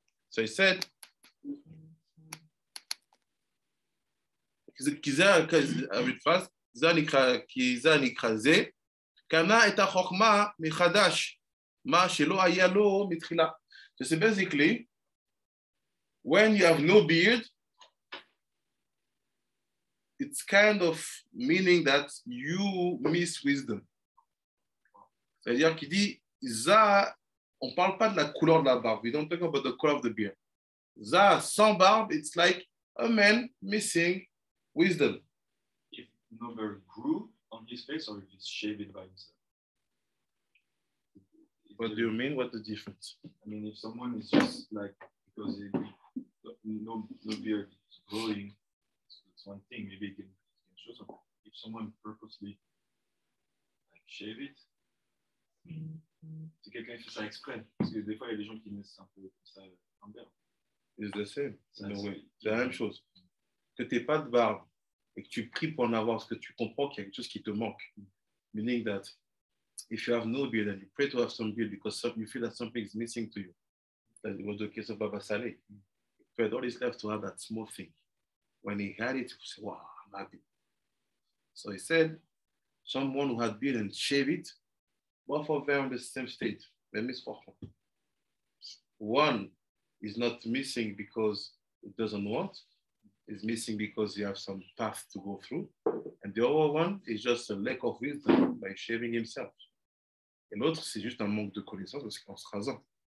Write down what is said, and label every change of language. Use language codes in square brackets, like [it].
[en] So he said, so basically, when you have no beard, it's kind of meaning that you miss wisdom. [fr] C'est-à-dire qu'il dit, Za, on ne parle pas de la couleur de la barbe. [en] We don't talk about the color of the beard. Za, [fr] sans barbe, [en] it's like a man missing wisdom. If no beard grew on his face, or if he's shaved by himself. What do you mean? What's the difference? I mean, if someone is just like, because no beard is growing, it's one thing, maybe he can show something. If someone purposely like shave it, [fr] c'est quelqu'un qui fait ça exprès. Parce que des fois, il y a des gens qui naissent un peu comme ça en berne. [en] It's the same. [fr] C'est la même chose. Que t'es pas de barbe. et que tu pries pour en avoir, parce que tu comprends qu'il y a quelque chose qui te manque. [en] Meaning that if you have no beard and you pray to have some beard because some, you feel that something is missing to you, that it was the case of Baba Saleh. He prayed all his life to have that small thing. When he had it, he was like, wow, I'm happy. So he said, someone who had beard and shave it, both of them in the same state, they miss for him. One is not missing because it doesn't want, it's missing because you have some path to go through. And the other one is just a lack of wisdom by shaving himself. [fr] Et l'autre, c'est juste un manque de connaissance parce qu'en se rasant.